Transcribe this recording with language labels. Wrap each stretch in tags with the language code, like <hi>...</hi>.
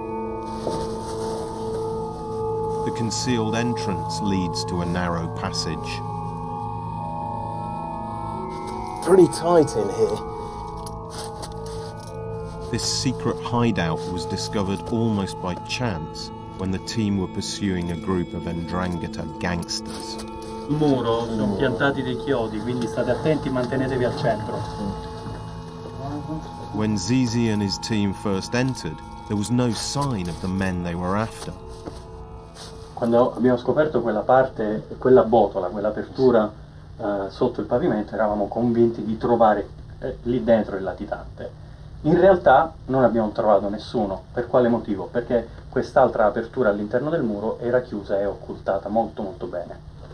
<en>The concealed entrance leads to a narrow passage. Pretty tight in here. This secret hideout was discovered almost by chance when the team were pursuing a group of 'Ndrangheta gangsters.</en> <it>sul muro sono piantati dei chiodi, quindi state attenti, mantenetevi al centro.</it> <en>When Zizi and his team first entered, there was no sign of the men they were after.</en> <it>Quando abbiamo scoperto quella parte, quella botola, quell'apertura sotto il pavimento, eravamo convinti di trovare lì dentro il latitante. In realtà non abbiamo trovato nessuno. Per quale motivo? Perché quest'altra apertura all'interno del muro era chiusa e occultata molto molto bene.</it>